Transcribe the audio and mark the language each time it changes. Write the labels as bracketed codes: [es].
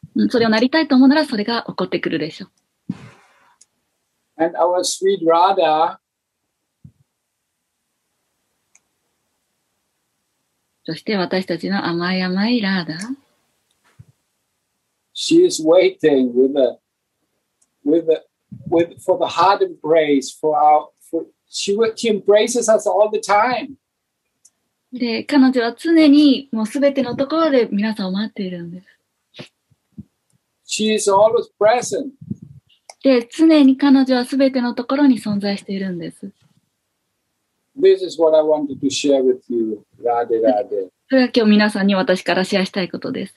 [ja] それをなりたいと思うならそれが起こってくるでしょう。 [en] And our sweet Radha, [ja] そして私たちの甘い甘いラーダ、 [en] She is waiting with a, with a,With, for the heart embrace, for our, for, she embraces us all the time. [ja] で、彼女は常にもうすべてのところで皆さんを待っているんです。 [en] She is always present. [ja] で、常に彼女はすべてのところに存在しているんです。 [en] This is what I wanted to share with you, Radhe Radhe. [ja] それは今日皆さんに私からシェアしたいことです。